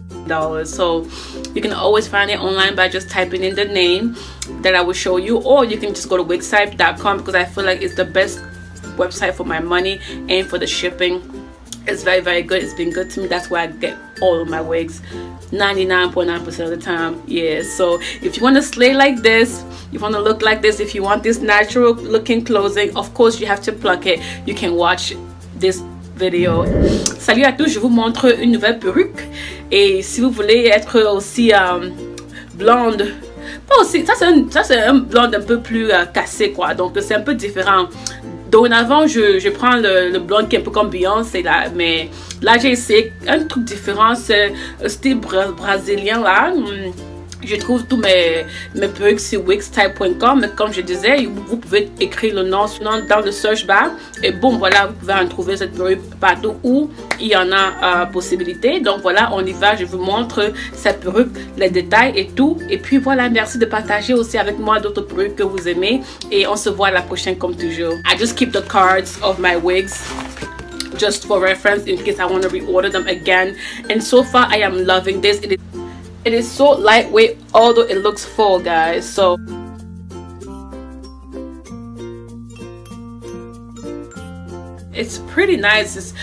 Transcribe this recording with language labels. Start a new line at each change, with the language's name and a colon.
English: So you can always find it online by just typing in the name that I will show you, or you can just go to wigsite.com, because I feel like it's the best website for my money and for the shipping. It's very, very good. It's been good to me. That's where I get all of my wigs 99.9% of the time. Yeah, so if you want to slay like this, you want to look like this, if you want this natural looking clothing, of course you have to pluck it. You can watch this vidéo.
French: Salut à tous, je vous montre une nouvelle perruque, et si vous voulez être aussi blonde, pas aussi, ça c'est un blonde un peu plus cassé quoi, donc c'est un peu différent. Dorénavant je prends le blonde qui est un peu comme Beyoncé là, mais là j'ai essayé un truc différent, c'est style brésilien là. Je trouve tous mes perruques sur wigstyle.com, mais comme je disais, vous pouvez écrire le nom sinon dans le search bar, et bon voilà, vous pouvez en trouver cette perruque partout où il y en a possibilité. Donc voilà, on y va, je vous montre cette perruque, les détails et tout, et puis voilà, merci de partager aussi avec moi d'autres perruques que vous aimez, et on se voit à la prochaine comme toujours.
English: I just keep the cards of my wigs just for reference in case I want to reorder them again, and so far I am loving this. It is so lightweight, although it looks full, guys. So it's pretty nice.